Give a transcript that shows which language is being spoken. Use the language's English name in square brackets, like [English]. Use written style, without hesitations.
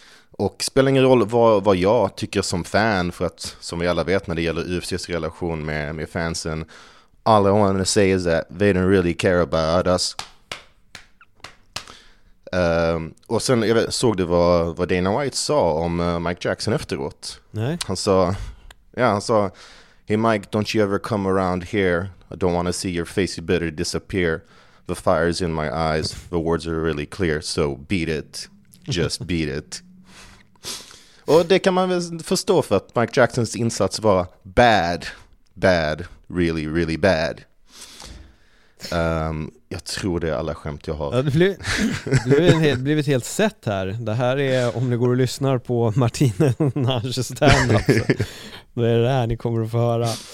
[Swedish] Och spelar ingen roll vad jag tycker som fan, för att som vi alla vet när det gäller UFCs relation med fansen, [English] all I want to say is that they don't really care about us. [Swedish] Och sen jag såg det vad Dana White sa om Mike Jackson efteråt. Nej. Han sa, [English] hey Mike, don't you ever come around here. I don't want to see your face, you better disappear. The fire is in my eyes, the words are really clear, so beat it, just beat it. [Swedish] Och det kan man väl förstå, för att Mike Jacksons insats var [English] bad, bad, really, really bad. [Swedish] Jag tror det är alla skämt jag har. Ja, det blev ett helt sett här. Det här är, om ni går och lyssnar på Martine Nages stand-up, så det är det här ni kommer att få höra.